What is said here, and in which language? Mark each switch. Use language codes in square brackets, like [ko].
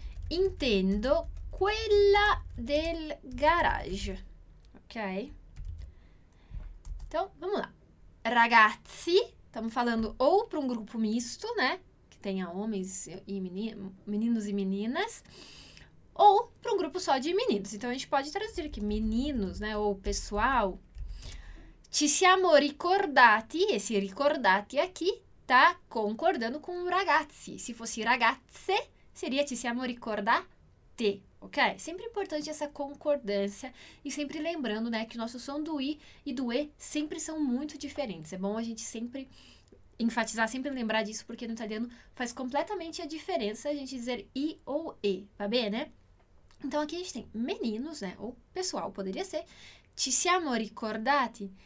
[it] Intendo quella del garage. [pt] Ok? Então, vamos lá. Ragazzi, estamos falando ou para um grupo misto, né? Que tenha homens e meninos e meninas, ou para um grupo só de meninos. Então, a gente pode traduzir aqui meninos, né? Ou pessoal. [it] Ci siamo ricordati, [pt] esse ricordati aqui tá concordando com ragazzi. [it] Se fosse ragazze, [pt] seria [it] ci siamo ricordati. [pt] Ok? Sempre importante essa concordância e sempre lembrando, né, que o nosso som do i e do e sempre são muito diferentes. É bom a gente sempre enfatizar, sempre lembrar disso, porque no italiano faz completamente a diferença a gente dizer i ou e, [it] va bene? [pt] Então aqui a gente tem meninos, né, ou pessoal, poderia ser. [it] Ci siamo ricordati?